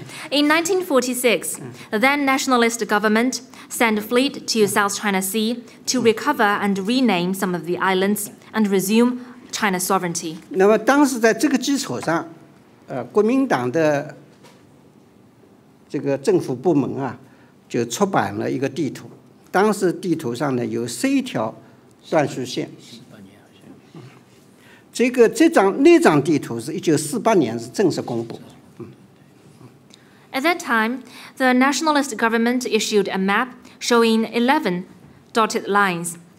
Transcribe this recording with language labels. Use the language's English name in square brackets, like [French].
[English] In 1946, the then nationalist government sent a fleet to South China Sea to recover and rename some of the islands and resume China's sovereignty. [Chinese] 那么当时在这个基础上，国民党的这个政府部门就出版了一个地图，当时地图上有11条断续线。这张那张地图是1948年正式公布。 [English] At that time, the nationalist government issued a map showing 11 dotted lines.